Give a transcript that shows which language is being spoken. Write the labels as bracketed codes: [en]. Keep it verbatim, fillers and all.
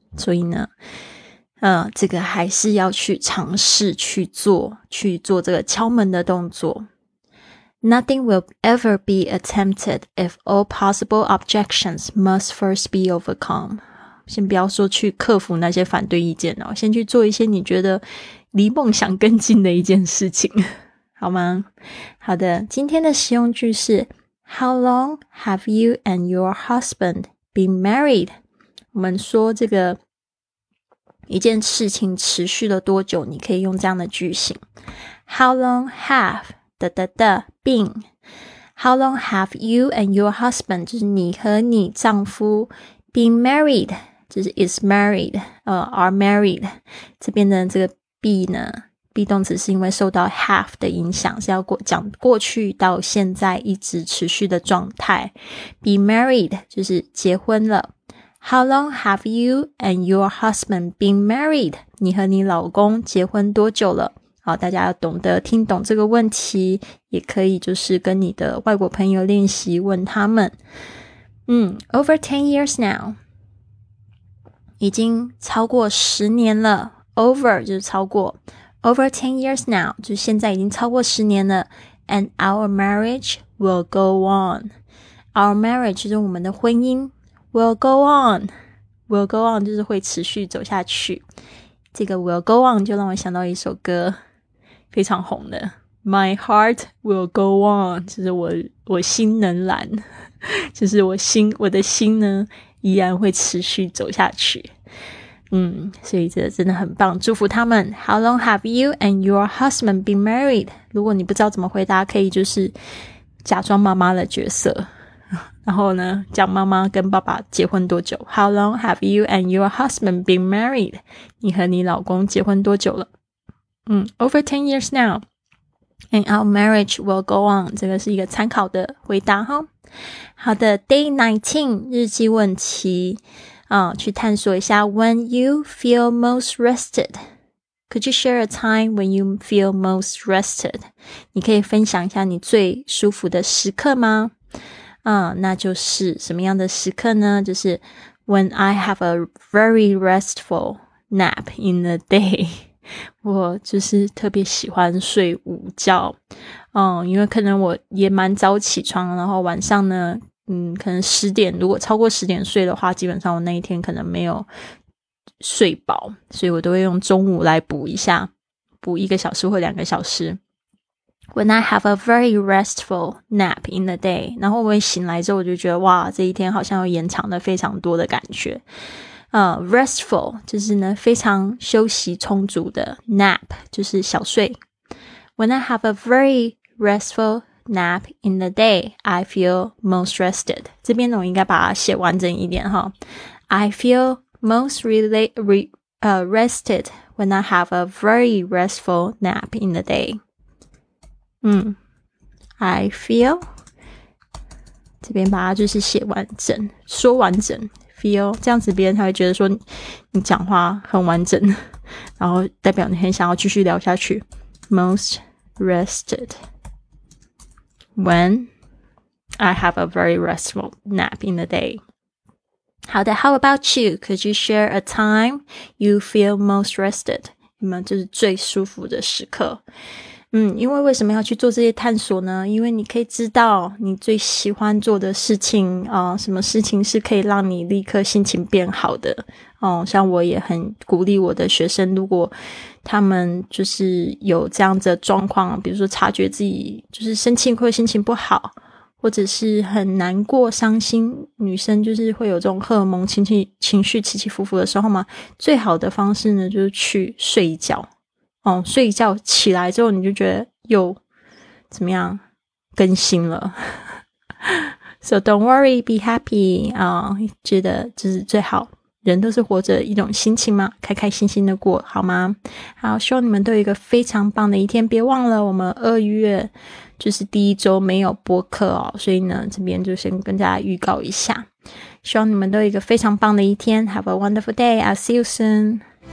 [zh] 所以呢呃，这个还是要去尝试去做去做这个敲门的动作。 [en] Nothing will ever be attempted if all possible objections must first be overcome， [zh] 先不要说去克服那些反对意见哦，先去做一些你觉得离梦想更近的一件事情，好吗？好的，今天的实用句是 [en] How long have you and your husband been married？ [zh] 我们说这个一件事情持续了多久，你可以用这样的句型。 How long have 的的的 been， [en] How long have you and your husband， [zh] 就是你和你丈夫 been married， 就是 [en] is married、uh, are married， [zh] 这边的这个 be 呢be 动词是因为受到 have 的影响，是要过讲过去到现在一直持续的状态。 Be married 就是结婚了。 [en] How long have you and your husband been married？ [zh] 你和你老公结婚多久了？好，大家要懂得听懂这个问题，也可以就是跟你的外国朋友练习问他们。 [en] 嗯 ，over ten years now， [zh] 已经超过十年了。 Over 就是超过。 [en] Over ten years now， [zh] 就现在已经超过十年了 [en] and our marriage will go on。 Our marriage [zh] 就是我们的婚姻 [en] will go on， will go on [zh] 就是会持续走下去。这个 will go on 就让我想到一首歌，非常红的 [en] My heart will go on， [zh] 就是我我心能燃，就是我心我的心呢依然会持续走下去。嗯，所以这真的很棒，祝福他们。 [en] How long have you and your husband been married？ [zh] 如果你不知道怎么回答，可以就是假装妈妈的角色，然后呢讲妈妈跟爸爸结婚多久。 [en] How long have you and your husband been married？ [zh] 你和你老公结婚多久了？ [en] 嗯 Over ten years now and our marriage will go on， [zh] 这个是一个参考的回答哈。 [en] 好的， Day nineteen [zh] 日记问题，哦，去探索一下 [en] When you feel most rested， Could you share a time when you feel most rested? [zh] 你可以分享一下你最舒服的时刻吗？嗯，那就是什么样的时刻呢？ [en] 就是 When I have a very restful nap in the day. [zh] 我就是特别喜欢睡午觉。嗯，因为可能我也蛮早起床，然后晚上呢，嗯，可能十点，如果超过十点睡的话，基本上我那一天可能没有睡饱，所以我都会用中午来补一下，补一个小时或两个小时。 [en] When I have a very restful nap in the day， [zh] 然后我醒来之后，我就觉得哇，这一天好像又延长了非常多的感觉。呃、uh, restful 就是呢非常休息充足的 nap 就是小睡。 [en] When I have a very restful nap in the day, I feel most rested. [zh] 这边呢我应该把它写完整一点哈。 [en] I feel most rela- re- uh, rested when I have a very restful nap in the day. [zh] 嗯 I feel 这边把它就是写完整，说完整。 feel 这样子别人才会觉得说你讲话很完整，然后代表你很想要继续聊下去。 [en] Most rested when I have a very restful nap in the day. 好的 ，How about you? Could you share a time you feel most rested? [zh] 你们就是最舒服的时刻。嗯，因为为什么要去做这些探索呢？因为你可以知道你最喜欢做的事情啊、呃，什么事情是可以让你立刻心情变好的。哦、呃，像我也很鼓励我的学生，如果他们就是有这样子的状况，比如说察觉自己就是生气或心情不好，或者是很难过、伤心，女生就是会有这种荷尔蒙情绪情绪起起伏伏的时候嘛，最好的方式呢就是去睡一觉。哦，睡一觉起来之后，你就觉得又怎么样更新了。 [en] So don't worry, be happy 啊、uh, ！ [zh] 觉得就是最好，人都是活着一种心情嘛，开开心心的过，好吗？好，希望你们都有一个非常棒的一天。别忘了，我们二月就是第一周没有播客哦，所以呢，这边就先跟大家预告一下。希望你们都有一个非常棒的一天。 [en] Have a wonderful day. I'll see you soon.